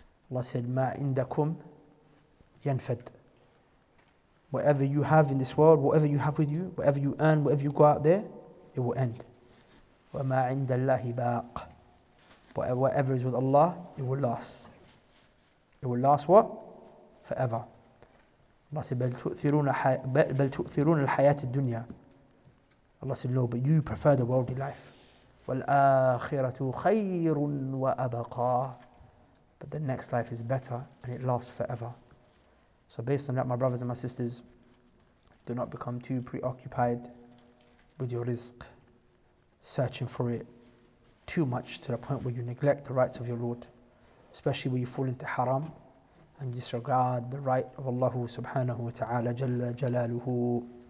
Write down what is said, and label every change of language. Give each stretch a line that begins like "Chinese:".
English: Allah said,
Arabic: ma indakum yanfad.
English: Whatever you have in this world, whatever you have with you, whatever you earn, whatever you go out there, it will end.
Arabic: وَمَا عِنْدَ اللَّهِ بَاقٍ.
English: Whatever is with Allah, it will last. It will last what? Forever. Allah said,
Arabic: بَلْ تُؤْثِرُونَ الْحَيَاةِ الدُّنْيَا.
English: Allah said, no, but you prefer the worldly life.
Arabic: وَالْآخِرَةُ خَيْرٌ وَأَبَقَى.
English: But the next life is better and it lasts forever. So based on that, my brothers and my sisters, do not become too preoccupied with your rizq, searching for it too much to the point where you neglect the rights of your Lord, especially when you fall into haram and disregard the right of Allah subhanahu wa ta'ala jalla jalaluhu.